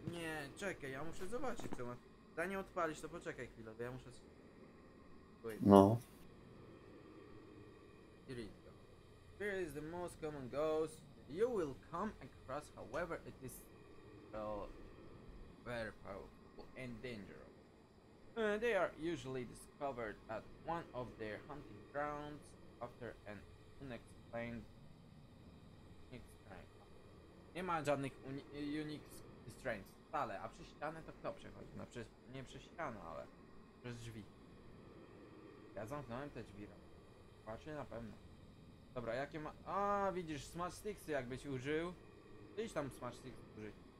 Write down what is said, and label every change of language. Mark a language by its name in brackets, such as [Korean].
[Polish] Nie, czekaj, ja muszę zobaczyć, co ma. Zanim odpalisz, to poczekaj chwilę, bo ja muszę... No. [English] Spirit is the most common ghost you will come across, however it is very powerful and dangerous. They are usually discovered at one of their hunting grounds after an unexplained strength. [Polish] Nie ma żadnych unique strength wcale, a przez ścianę to kto przechodzi? No przez, nie przez ścianę, ale przez drzwi. Ja zamknąłem te drzwi. Patrzcie na pewno. Dobra, jakie ma... A widzisz, smash sticksy jakbyś użył. Idź tam smash sticks użyć.